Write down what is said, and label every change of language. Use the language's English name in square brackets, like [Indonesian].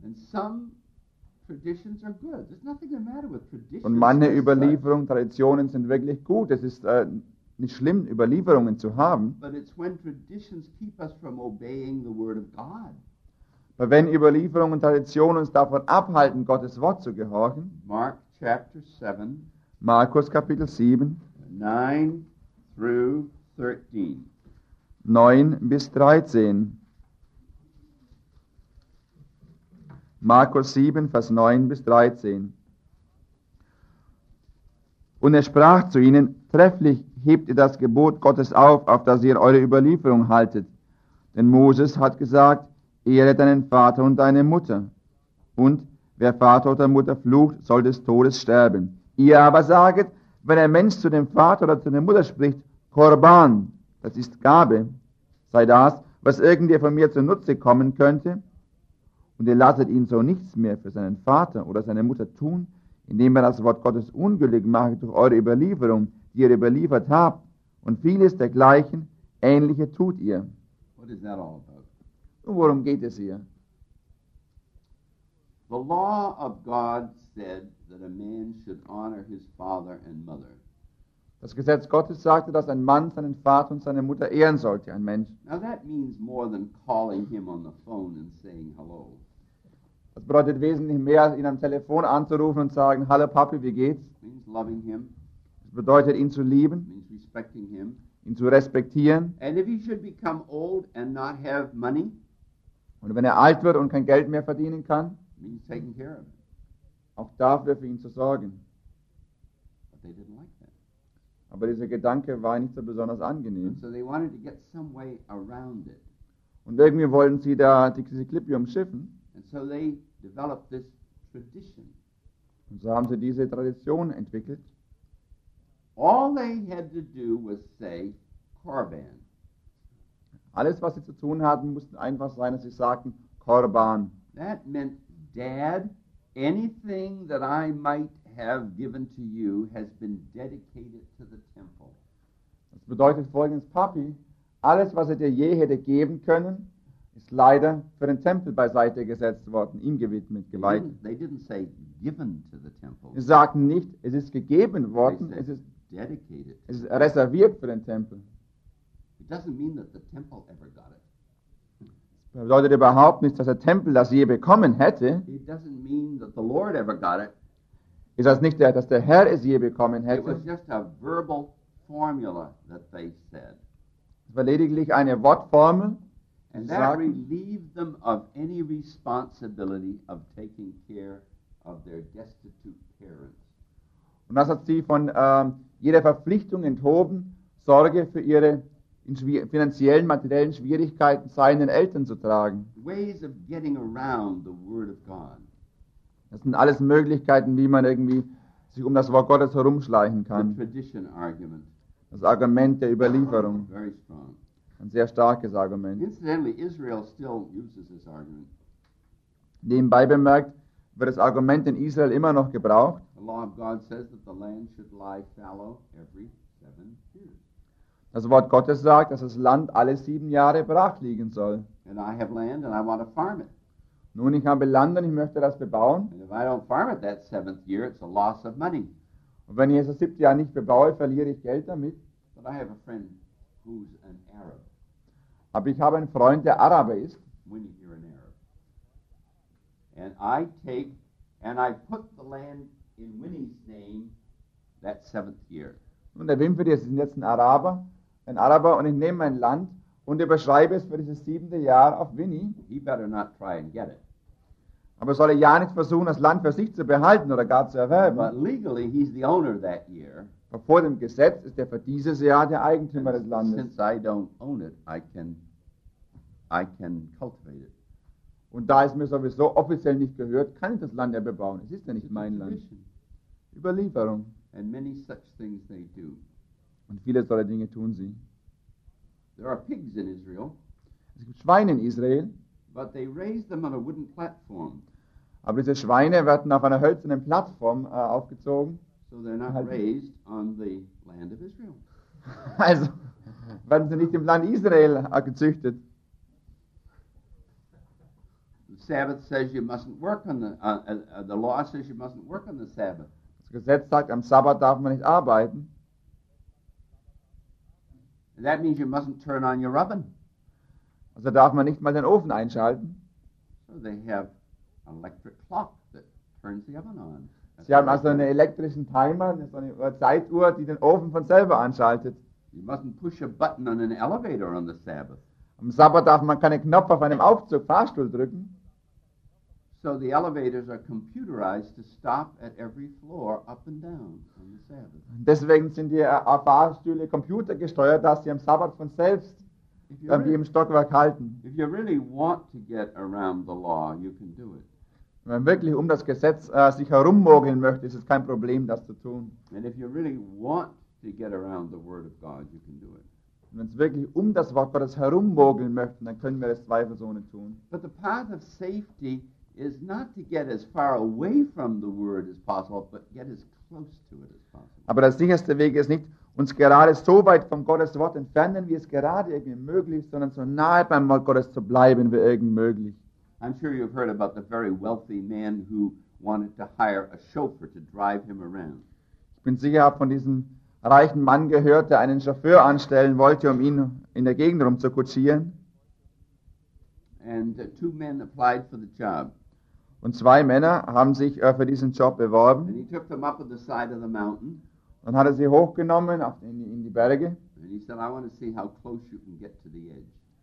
[English] And some traditions are good. There's nothing the matter with traditions. [German] Und manche Überlieferungen, Traditionen sind wirklich gut. Es ist nicht schlimm, Überlieferungen zu haben. [English] But it's when traditions keep us from obeying the word of God. [German] Aber wenn Überlieferungen und Traditionen uns davon abhalten, Gottes Wort zu gehorchen. [English] Mark chapter 7. [German] Markus Kapitel 7. [English] 9 through 13. [German] 9 bis 13. Markus 7, Vers 9 bis 13. Und er sprach zu ihnen, trefflich hebt ihr das Gebot Gottes auf das ihr eure Überlieferung haltet. Denn Moses hat gesagt, ehre deinen Vater und deine Mutter. Und wer Vater oder Mutter flucht, soll des Todes sterben. Ihr aber saget, wenn ein Mensch zu dem Vater oder zu der Mutter spricht, Korban, das ist Gabe, sei das, was irgendwer von mir zunutze kommen könnte. Und ihr lasset ihn so nichts mehr für seinen Vater oder seine Mutter tun, indem er das Wort Gottes ungültig macht durch eure Überlieferung, die ihr überliefert habt, und vieles dergleichen, ähnliche tut ihr. [English] What is that all about? [German] Und worum geht es hier? [English] The law of God said that a man should honor his father and mother. [German] Das Gesetz Gottes sagte, dass ein Mann seinen Vater und seine Mutter ehren sollte, ein Mensch. [English] Now that means more than calling him on the phone and saying hello. [German] Das bedeutet wesentlich mehr, als ihn am Telefon anzurufen und sagen, hallo Papi, wie geht's? [English] It means loving him. [German] Das bedeutet, ihn zu lieben. [English] It means respecting him. [German] Ihn zu respektieren. [English] And if he should become old and not have money. [German] Und wenn er alt wird und kein Geld mehr verdienen kann. [English] It means taking care of him. [German] Auch dafür für ihn zu sorgen. [English] But they didn't like. [German] Aber dieser Gedanke war nicht so besonders angenehm. [English] So they wanted to get some way around it. [German] Und irgendwie wollten sie da diese Klippe umschiffen. [English] And so they developed this tradition. [German] Und so haben sie diese Tradition entwickelt. [English] All they had to do was say Korban. [German] Alles, was sie zu tun hatten, musste einfach sein, dass sie sagten Korban. [English] That meant, Dad, anything that I might have given to you has been dedicated to the temple. [German] Das bedeutet folgendes, Papi, alles, was er dir je hätte geben können, ist leider für den Tempel beiseite gesetzt worden, ihm gewidmet, geweiht. [English] They didn't say given to the temple. [German] Sie sagten nicht, es ist gegeben worden, [English] they said, dedicated. [German] Es ist reserviert für den Tempel. [English] It doesn't mean that the temple ever got it. [German] Das bedeutet überhaupt nicht, dass der Tempel das je bekommen hätte. [English] It doesn't mean that the Lord ever got it. [German] Ist das nicht, dass der Herr es je bekommen hätte? [English] It was just a verbal formula that they said. [German] Es war lediglich eine Wortformel. [English] And that relieved them of any responsibility of taking care of their destitute parents. [German] Und das hat sie von jeder Verpflichtung enthoben, Sorge für ihre finanziellen, materiellen Schwierigkeiten seinen Eltern zu tragen. [English] Ways of getting around the word of God. [German] Das sind alles Möglichkeiten, wie man irgendwie sich um das Wort Gottes herumschleichen kann. [English] The tradition argument. [German] Das Argument der Überlieferung. [English] Very strong. [German] Ein sehr starkes Argument. [English] Incidentally, Israel still uses this argument. [German] Nebenbei bemerkt, wird das Argument in Israel immer noch gebraucht. [English] The law of God says that the land should lie fallow every 7 years. [German] Das Wort Gottes sagt, dass das Land alle 7 Jahre brach liegen soll. [English] And I have land and I want to farm it. [German] Nun, ich habe Land und ich möchte das bebauen. [English] And if I don't farm it that 7th year, it's a loss of money. [German] Und wenn ich es das 7. Jahr nicht bebaue, verliere ich Geld damit. [English] But I have a friend who's an Arab. [German] Aber ich habe einen Freund, der Araber ist. [English] When you're an Arab. And I take and I put the land in Winnie's name that 7th year. [German] Und der Wimpfer, das ist jetzt ein Araber, und ich nehme mein Land und überschreibe es für dieses 7. Jahr auf Winnie. [English] He better not try and get it. [German] Aber soll er ja nicht versuchen, das Land für sich zu behalten oder gar zu erwerben. [English] But legally, he's the owner that year. [German] Aber vor dem Gesetz ist er für dieses Jahr der Eigentümer des Landes. [English] Since I don't own it, I can cultivate it. [German] Und da es mir sowieso offiziell nicht gehört, kann ich das Land ja bebauen. Es ist ja nicht mein Land. Überlieferung. [English] And many such things they do. [German] Und viele solche Dinge tun sie. [English] There are pigs in Israel. [German] Es gibt Schweine in Israel. [English] But they raise them on a wooden platform. [German] Aber diese Schweine werden auf einer hölzernen Plattform aufgezogen. [English] So they're not raised on the land of Israel. [German] Also werden sie nicht im Land Israel gezüchtet. [English] The Sabbath says you mustn't work on the law says you mustn't work on the Sabbath. [German] Das Gesetz sagt, am Sabbat darf man nicht arbeiten. [English] That means you mustn't turn on your oven. [German] Also darf man nicht mal den Ofen einschalten. [English] So they have an electric clock that turns the oven on. [German] Sie haben also einen elektrischen Timer, so eine Zeituhr, die den Ofen von selber anschaltet. [English] You mustn't push a button on an elevator on the Sabbath. [German] Am Sabbat darf man keinen Knopf auf einem Aufzug, Fahrstuhl drücken. [English] So the elevators are computerized to stop at every floor up and down on the Sabbath. [German] Deswegen sind die Fahrstühle computergesteuert, dass sie am Sabbat von selbst dann die im Stockwerk halten. [English] If you really want to get around the law, you can do it. [German] Wenn man wirklich um das Gesetz sich herummogeln möchte, ist es kein Problem, das zu tun. [English] And if you really want to get around the word of God, you can do it. [German] Wenn es wirklich um das Wort Gottes herummogeln möchten, dann können wir es zweifelsohne tun. [English] But the path of safety is not to get as far away from the word as possible, but get as close to it as possible. [German] Aber der sicherste Weg ist nicht, uns gerade so weit vom Gottes Wort entfernen, wie es gerade irgendwie möglich ist, sondern so nahe beim Wort Gottes zu bleiben, wie irgend möglich. [English] I'm sure you've heard about the very wealthy man who wanted to hire a chauffeur to drive him around. [German] Ich bin sicher, ich habe von diesem reichen Mann gehört, der einen Chauffeur anstellen wollte, um ihn in der Gegend rumzukutschieren. [English] And two men applied for the job. [German] Und zwei Männer haben sich für diesen Job beworben. [English] And he took them up on the side of the mountain. [German] Dann hat er sie hochgenommen in die Berge. [English] And he said, I want to see how close you can get to the edge.